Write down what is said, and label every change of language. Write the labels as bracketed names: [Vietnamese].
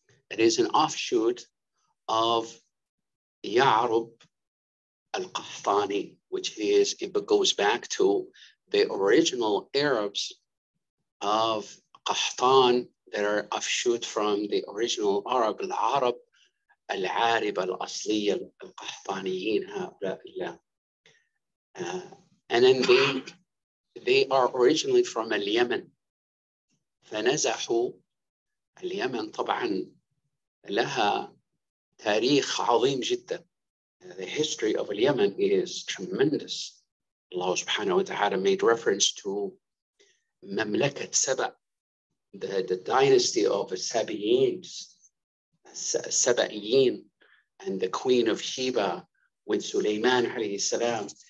[English] It is an offshoot of Ya'rub al-Qahtani, which is, it goes back to the original Arabs of Qahtan that are offshoot from the original Arab al-Arab al-Arib al-Asli al-Qahtaniyin. And then they are originally from al-Yemen. [Arabic] فنزحوا اليمن طبعا لها تاريخ عظيم جدا. [English] The history of Yemen is tremendous. Allah subhanahu wa ta'ala made reference to مملكة سبأ, the dynasty of Sabaeans, Sabaeen, and the queen of Sheba with Sulaiman alayhi salam.